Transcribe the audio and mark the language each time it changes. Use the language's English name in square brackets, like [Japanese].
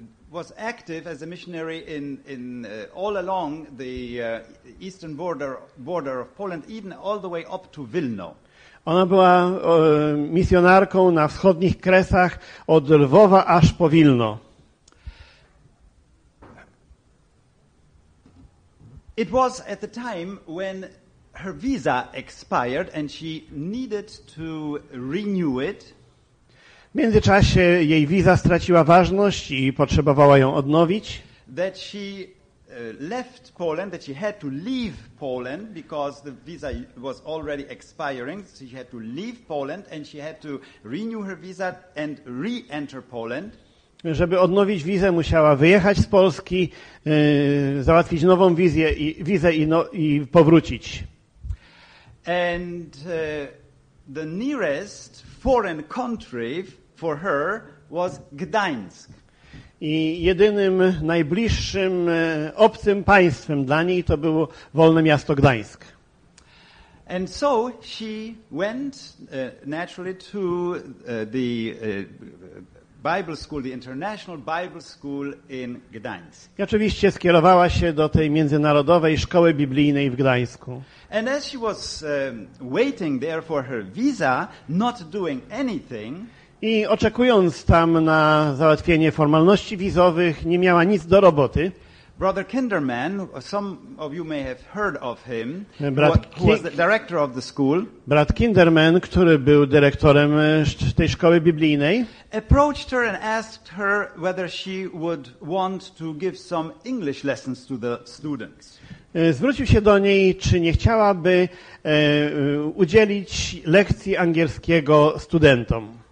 [English] Was active as a missionary in all along the eastern border of Poland, even all the way up to Vilno. [Polish] Ona była misjonarką na wschodnich kresach od Lwowa aż po Wilno. [English] It was at the time when her visa expired and she needed to renew it. [Polish] W międzyczasie jej wiza straciła ważność i potrzebowała ją odnowić. [English] That she left Poland, that she had to leave Poland because the visa was already expiring, so she had to leave Poland and she had to renew her visa and re-enter Poland. [Polish] Żeby odnowić wizę, musiała wyjechać z Polski, załatwić nową wizę i powrócić. [English] And the nearest foreign country for her was Gdańsk. [Polish] I jedynym najbliższym obcym państwem dla niej to było wolne miasto Gdańsk. [English] And so she went naturally to the Bible school, the International Bible School in Gdańsk. [Polish] I oczywiście skierowała się do tej międzynarodowej szkoły biblijnej w Gdańsku. [English] And as she was waiting there for her visa, not doing anything, [Polish] i oczekując tam na załatwienie formalności wizowych, nie miała nic do roboty. [English] Brother Kinderman, some of you may have heard of him, who was the director of the school. [Polish] Brat Kinderman, który był dyrektorem tej szkoły biblijnej, [English] approached her and asked her whether she would want to give some English lessons to the students. [Polish] Zwrócił się do niej, czy nie chciałaby udzielić lekcji angielskiego studentom.